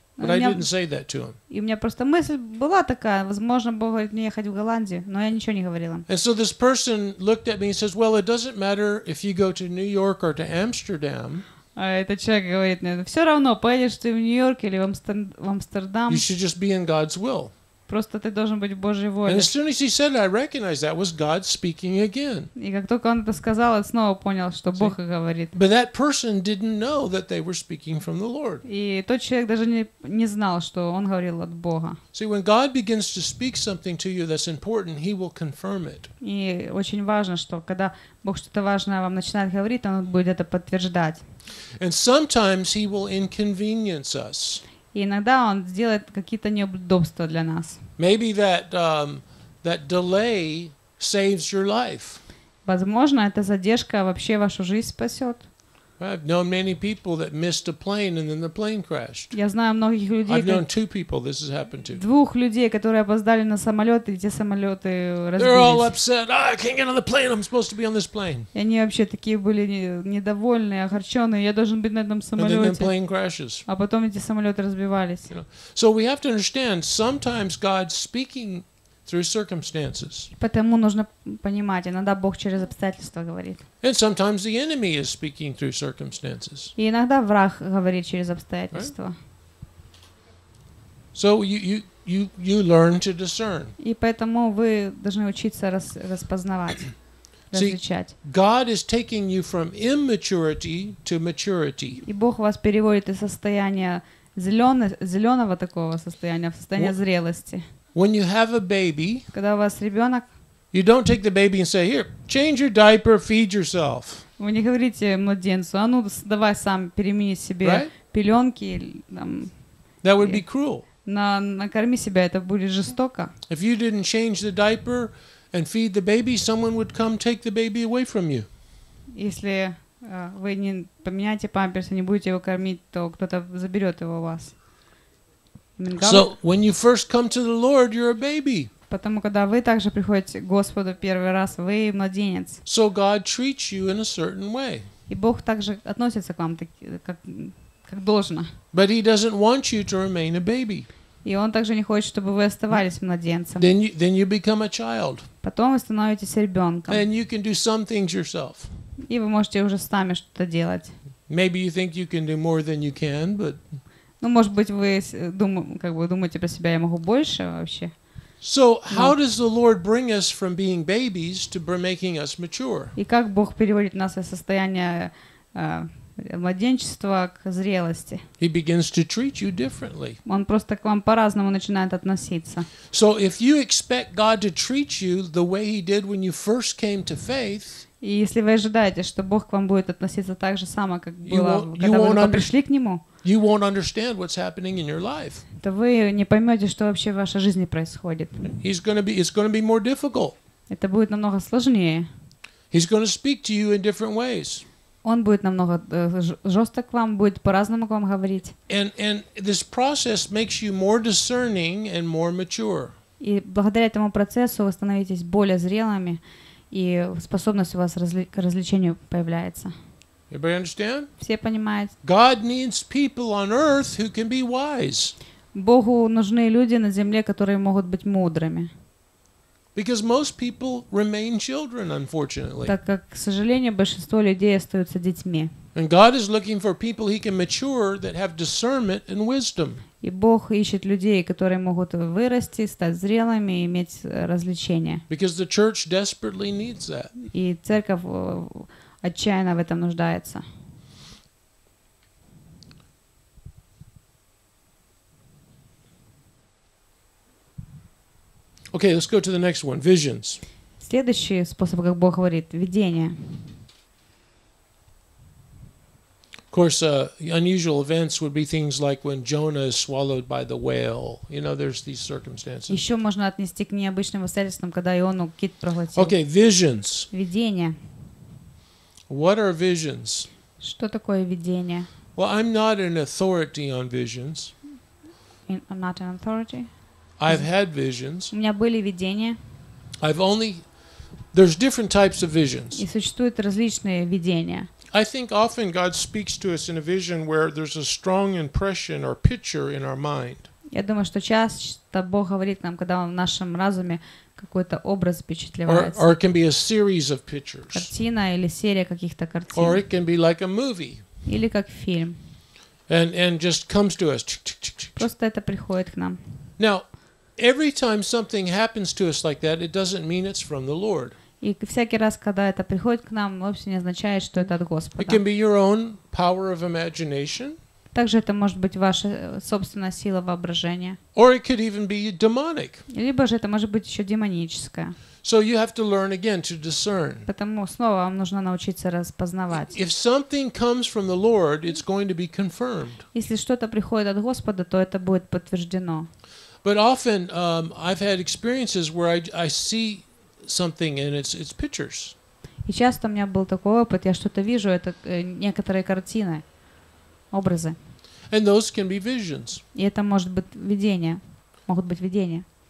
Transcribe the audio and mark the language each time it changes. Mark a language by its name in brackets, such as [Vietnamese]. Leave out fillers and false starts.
[English] But I didn't say that to him. [Russian] И у меня просто мысль была такая, возможно, Бог говорит мне ехать в Голландию, но я ничего не говорила. [English] And so this person looked at me and says, "Well, it doesn't matter if you go to New York or to Amsterdam." [Russian] А этот человек говорит мне, все равно, поедешь ты в Нью-Йорк или в Амстердам. [English] You should just be in God's will. [Russian] Просто ты должен быть в Божьей воле. [English] And as soon as he said it, I recognized that was God speaking again. [Russian] И как только он это сказал, я снова понял, что Бог и говорит. [English] But that person didn't know that they were speaking from the Lord. [Russian] И тот человек даже не знал, что он говорил от Бога. [English] See, when God begins to speak something to you that's important, he will confirm it. [Russian] И очень важно, что когда Бог что-то важное вам начинает говорить, он будет это подтверждать. [English] And sometimes he will inconvenience us. [Russian] И иногда он сделает какие-то неудобства для нас. [English] Maybe that delay saves your life. [Russian] Возможно, эта задержка вообще вашу жизнь спасет. [English] I've known many people that missed a plane and then the plane crashed. [Russian] Я знаю многих людей. [English] I've known two people this has happened to. [Russian] Двух людей, которые опоздали на самолет, и те самолеты разбились. [English] They're all upset. Oh, I can't get on the plane. I'm supposed to be on this plane. [Russian] И они вообще такие были недовольны, огорчены. Я должен быть на этом самолете. [English] And then the plane crashes. [Russian] А потом эти самолеты разбивались. [English] You know, so we have to understand sometimes God's speaking through circumstances. [Russian] Потому нужно понимать, иногда Бог через обстоятельства говорит. [English] And sometimes the enemy is speaking through circumstances. [Russian] И иногда враг говорит через обстоятельства. [English] Right? So you learn to discern. [Russian] И поэтому вы должны учиться распознавать, различать. [English] See, God is taking you from immaturity to maturity. [Russian] И Бог вас переводит из состояния зеленого такого состояния в состояние зрелости. [English] When you have a baby, [Russian] когда у вас ребенок, [English] you don't take the baby and say, "Here, change your diaper, feed yourself." [Russian] Вы не говорите младенцу, а ну давай сам перемени себе пеленки. [English] That would be cruel. [Russian] Накорми себя, это будет жестоко. [English] If you didn't change the diaper and feed the baby, someone would come take the baby away from you. [Russian] Если вы не поменяете памперс и не будете его кормить, то кто-то заберет его у вас. [English] So when you first come to the Lord, you're a baby. [Russian] Потому когда вы также приходите к Господу первый раз, вы младенец. [English] So God treats you in a certain way. [Russian] И Бог также относится к вам как должно. [English] But he doesn't want you to remain a baby. [Russian] И он также не хочет, чтобы вы оставались младенцем. [English] Then you become a child. [Russian] Потом вы становитесь ребенком. [English] And you can do some things yourself. [Russian] И вы можете уже сами что-то делать. [English] Maybe you think you can do more than you can, but [Russian] ну, может быть, вы думаете про себя, я могу больше вообще. [English] So, how does the Lord bring us from being babies to making us mature? [Russian] И как Бог переводит нас из состояния младенчества к зрелости? [English] He begins to treat you differently. [Russian] Он просто к вам по-разному начинает относиться. [English] So, if you expect God to treat you the way he did when you first came to faith, [Russian] и если вы ожидаете, что Бог к вам будет относиться так же само, как было, когда вы пришли к нему, [English] you won't understand what's happening in your life. [Russian] То вы не поймете, что вообще в вашей жизни происходит. [English] It's going to be more difficult. [Russian] Это будет намного сложнее. [English] He's going to speak to you in different ways. [Russian] Он будет намного жестче к вам, будет по-разному к вам говорить. [English] And this process makes you more discerning and more mature. [Russian] И благодаря этому процессу вы становитесь более зрелыми, и способность у вас к различению появляется. [English] Everybody understand? [Russian] Все понимают. [English] God needs people on earth who can be wise. [Russian] Богу нужны люди на земле, которые могут быть мудрыми. [English] Because most people remain children, unfortunately. [Russian] Так как, к сожалению, большинство людей остаются детьми. [English] And God is looking for people he can mature that have discernment and wisdom. [Russian] И Бог ищет людей, которые могут вырасти, стать зрелыми и иметь различение. [English] Because the church desperately needs that. [Russian] И церковь отчаянно в этом нуждается. [English] Okay, let's go to the next one. Visions. [Russian] Следующий способ, как Бог говорит, видение. [English] Of course, unusual events would be things like when Jonah is swallowed by the whale. You know, there's these circumstances. [Russian] Еще можно отнести к необычным обстоятельствам, когда Иону кит проглотил. [English] Okay, visions. [Russian] Видение. [English] What are visions? [Russian] Что такое видение? [English] Well, I'm not an authority on visions. I'm not an authority. I've had visions. [Russian] У меня были видения. [English] I've only There's different types of visions. [Russian] И существуют различные видения. [English] I think often God speaks to us in a vision where there's a strong impression or picture in our mind. [Russian] Я думаю, что часто Бог говорит нам, когда в нашем разуме какой-то образ впечатляется. [English] Or it can be a series of pictures. [Russian] Картина или серия каких-то картин. [English] Or it can be like a movie. [Russian] Или как фильм. [English] And just comes to us. [Russian] Просто это приходит к нам. [English] Now, every time something happens to us like that, it doesn't mean it's from the Lord. [Russian] И всякий раз, когда это приходит к нам, вовсе не означает, что это от Господа. [English] It can be your own power of imagination. [Russian] Также это может быть ваша собственная сила воображения. [English] Or it could even be demonic. [Russian] Либо же это может быть еще демоническое. [English] So you have to learn again to discern. [Russian] Поэтому снова вам нужно научиться распознавать. [English] If something comes from the Lord, it's going to be confirmed. [Russian] Если что-то приходит от Господа, то это будет подтверждено. [English] But often I've had experiences where I see something and it's pictures. [Russian] И часто у меня был такой опыт, я что-то вижу, это некоторые картины, образы. [English] And those can be visions. [Russian] И это может быть видение, могут быть видения.